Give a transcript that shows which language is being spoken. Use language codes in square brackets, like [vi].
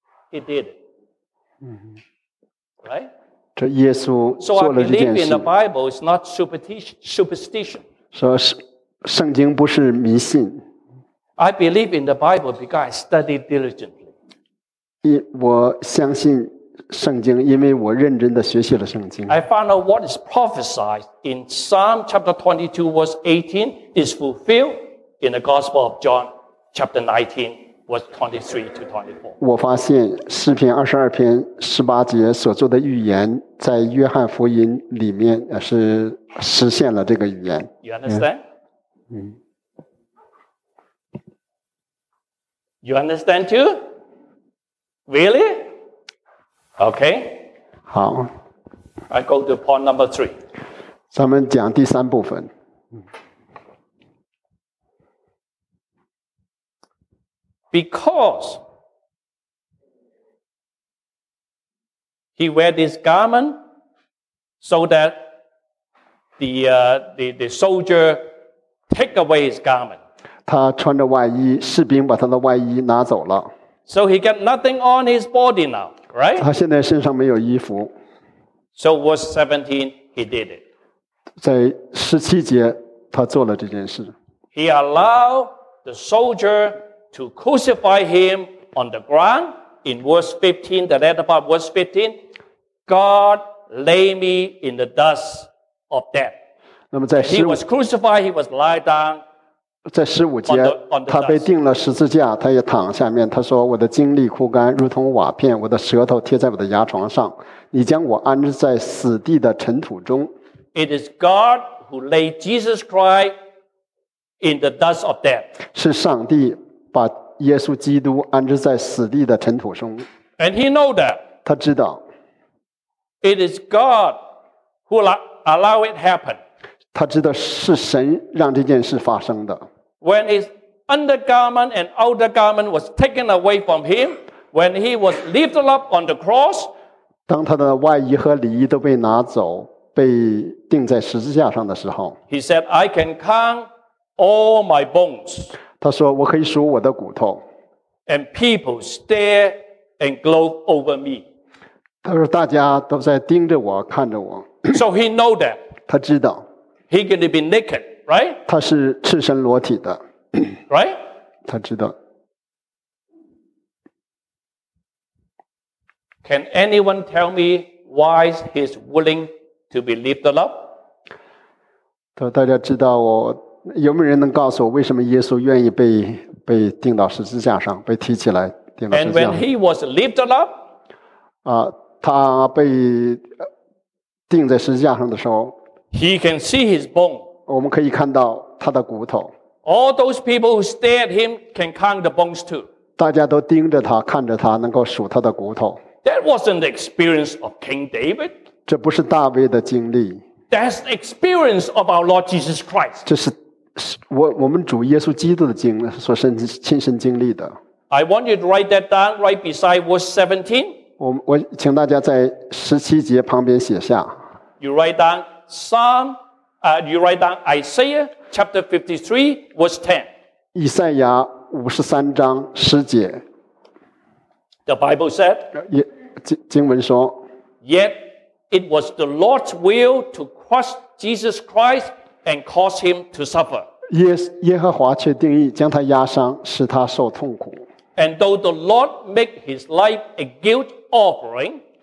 [en] He did it. Right? [zh] 这耶稣做了这件事。 [en] So I believe in the Bible is not superstition. [zh] 说圣经不是迷信。 [en] I believe in the Bible because I studied diligently. [zh] 我相信圣经，因为我认真地学习了圣经。 [en] I found out what is prophesied in Psalm chapter 22 verse 18 is fulfilled. In the Gospel of John, chapter 19, verse 23 to 24. [zh] 我发现诗篇二十二篇十八节所做的预言，在约翰福音里面是实现了这个预言。 [en] You understand? You understand too? Really? Okay. [zh] 好。 [en] I go to point number three. [zh] 咱们讲第三部分。 [en] Because he wear this garment so that the soldier take away his garment. [zh] 他穿着外衣，士兵把他的外衣拿走了。 [en] So he got nothing on his body now, right? [zh] 他现在身上没有衣服。 [en] So verse 17, he did it. [zh] 在十七节，他做了这件事。 [en] He allowed the soldierTo crucify him on the ground in verse 15, the latter part of verse 15, God lay me in the dust of death. [zh] 那么在 [en] he was crucified, he was lied down. [zh] 在十五节，他被钉了十字架，他也躺下面。他说：“我的精力枯干，如同瓦片；我的舌头贴在我的牙床上。你将我安置在死地的尘土中。” [en] It is God who laid Jesus Christ in the dust of death. [zh] 是上帝把耶稣基督安置在死地的尘土中。 [en] And he knows that. [zh] 他知道。 [en] It is God who allow it happen. [zh] 他知道是神让这件事发生的。 [en] When his undergarment and outer garment was taken away from him, when he was lifted up on the cross, [zh] 当他的外衣和里衣都被拿走，被钉在十字架上的时候， [en] he said, "I can count all my bones." [zh] 他说，我可以数我的骨头。 [en] And people stare and gloat over me. [zh] 他说，大家都在盯着我，看着我。 [en] So he know that. [zh] 他知道。 [en] He can be naked, right? [zh] 他是赤身裸体的。 [en] Right? [zh] 他知道。 [en] Can anyone tell me why he's willing to be lifted up? [zh] 大家知道我，有没有人能告诉我为什么耶稣愿意被钉到十字架上，被提起来钉到十字架上 [en] ？And when he was lifted up, [zh] 他被钉在十字架上的时候 [en] ，he can see his bone. [zh] 我们可以看到他的骨头。 [en] All those people who stared at him can count the bones too. [zh] 大家都盯着他，看着他，能够数他的骨头。 [en] That wasn't the experience of King David. [zh] 这不是大卫的经历。 [en] That's the experience of our Lord Jesus Christ. [zh] 这是我们主耶稣基督的经历，所亲身经历的。 [en] I want you to write that down right beside verse 17. [zh] 我请大家在十七节旁边写下。 [en] You write down Isaiah chapter 53 verse 10. [zh] 以赛亚五十三章十节。 [en] The Bible said. [zh] 经文说。 [en] Yet it was the Lord's will to crush Jesus Christ and cause him to suffer. [zh] 耶和华却定义将他压伤，使他受痛苦。 [en] And though the Lord make his life a guilt offering,